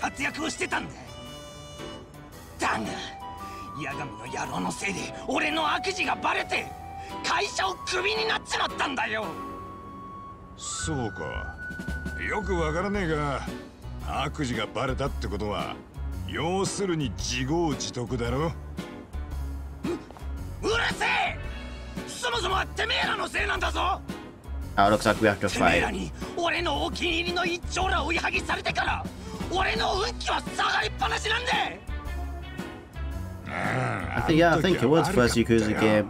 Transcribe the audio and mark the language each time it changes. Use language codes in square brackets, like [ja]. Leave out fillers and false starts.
[en] But because of Yagami, my evil deeds got revealed, and I got fired from the company. So, I don't understand, but the evil deeds got revealed. [ja] 要するに自業自得だろ。うるせえ。そもそもてめえらのせいなんだぞ。あ、 [en] looks like we have to fight。 [ja] てめえらに俺のお気に入りの一丁ら追い剥ぎされてから、俺の運気は下がりっぱなしなんで。 [en] I think yeah, I think it was first Yakuza game.